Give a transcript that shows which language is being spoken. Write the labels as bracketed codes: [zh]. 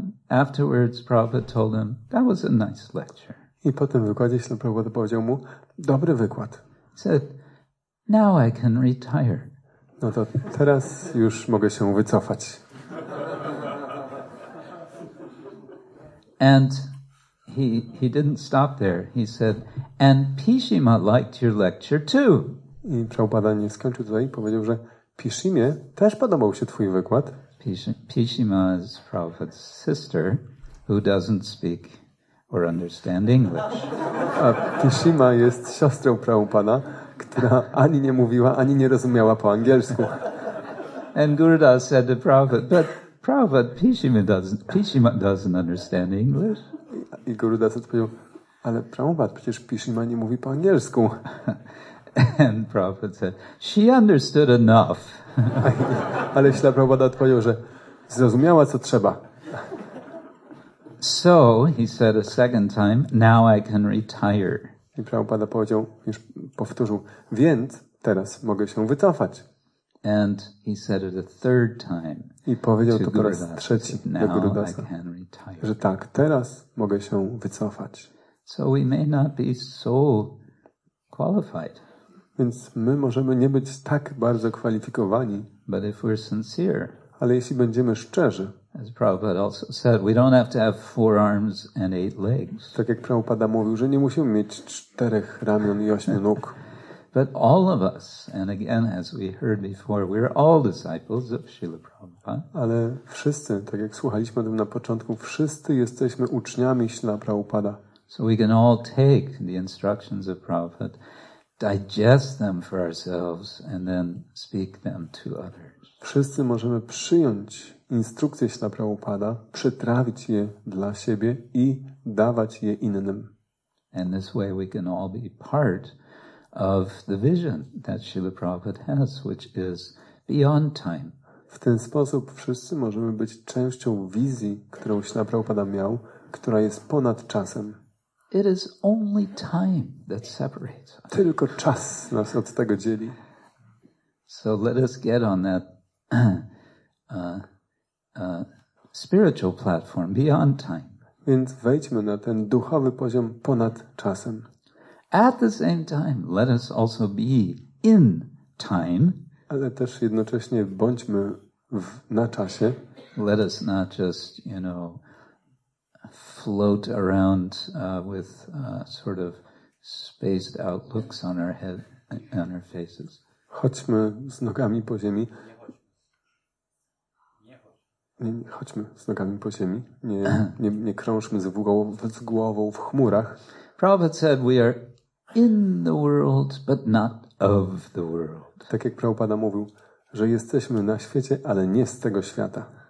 [en] Afterwards, Prabhupada told him that was a nice lecture. [pl] I po tym wykładzie Śrila Prabhupada powiedział mu, dobry wykład. [en] He said, now I can retire. [pl] No to teraz już mogę się wycofać. [en] And he didn't stop there. He said, and Pishima liked your lecture too. [pl] I Prabhupada nie skończył tutaj i powiedział, że Pishimie też podobał się twój wykład. [en] Pishima is Prabhupada's sister who doesn't speak or understand English. [pl] A Pishima jest siostrą Prabhupada, która ani nie mówiła, ani nie rozumiała po angielsku. [en] And Gurudas said to Prabhupada, but Prabhupada, Pishima doesn't understand English. [pl] I Gurudas odpowiedział, ale Prabhupada, przecież Pishima nie mówi po angielsku. [en] And Prabhupada said, she understood enough. [pl] Ale Śrila Prabhupada odpowiedział, że zrozumiała, co trzeba. [en] So, he said a second time, now I can retire. [pl] I Prabhupada powiedział, już powtórzył, więc teraz mogę się wycofać. [en] And he said it a third time. [pl] I powiedział to po raz trzeci do Gurudasa, że tak, teraz mogę się wycofać. [en] So we may not be so qualified. [pl] Więc my możemy nie być tak bardzo kwalifikowani. [en] But if we're sincere, [pl] ale jeśli będziemy szczerzy, [en] as Prabhupada also said, we don't have to have four arms and eight legs. [pl] Tak jak Prabhupada mówił, że nie musimy mieć czterech ramion i ośmiu nóg. [en] But all of us, and again, as we heard before, we're all disciples of Śrīla Prabhupāda. [pl] Ale wszyscy, tak jak słuchaliśmy o tym na początku, wszyscy jesteśmy uczniami Śrīla Prabhupāda. [en] So we can all take the instructions of Prabhupāda, digest them for ourselves, and then speak them to others. [pl] Wszyscy możemy przyjąć instrukcje Śrīla Prabhupāda, przetrawić je dla siebie i dawać je innym. [en] And this way we can all be part of the vision that Śrīla Prabhupāda has, which is beyond time. [pl] W ten sposób wszyscy możemy być częścią wizji, którą Śrīla Prabhupāda miał, która jest ponad czasem. [en] It is only time that separates us. [pl] Tylko czas nas od tego dzieli. [en] So let us get on that spiritual platform beyond time. [pl] Więc wejdźmy na ten duchowy poziom ponad czasem. [en] At the same time, let us also be in time. [pl] Ale też jednocześnie bądźmy na czasie. [en] Let us not just, you know, float around with sort of spaced out looks on our head and our faces. [pl] Chodźmy z nogami po ziemi. Chodźmy z nogami po ziemi. Nie krążmy z głową w chmurach. [en] Prabhupada said we are in the world, but not of the world. [pl] Tak jak Prabhupada mówił, że jesteśmy na świecie, ale nie z tego świata.